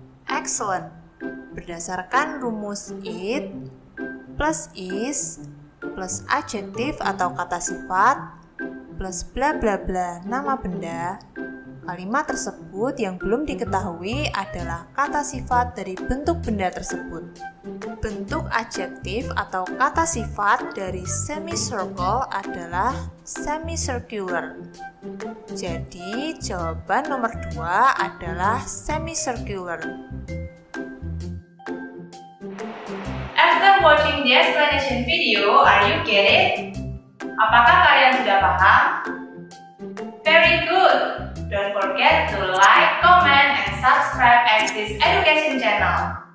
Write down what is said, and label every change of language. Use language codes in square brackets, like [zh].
[id] Excellent. Berdasarkan rumus [en] it plus is plus adjective [id] atau kata sifat plus bla bla bla nama benda, kalimat tersebut yang belum diketahui adalah kata sifat dari bentuk benda tersebut. Bentuk adjektif atau kata sifat dari semicircle adalah semicircular. Jadi, jawaban nomor 2 adalah semicircular. [en] After watching the explanation video, are you get it? [id] Apakah kalian sudah paham? [en] Very good! Don't forget to like, comment, and subscribe Axis Education Channel.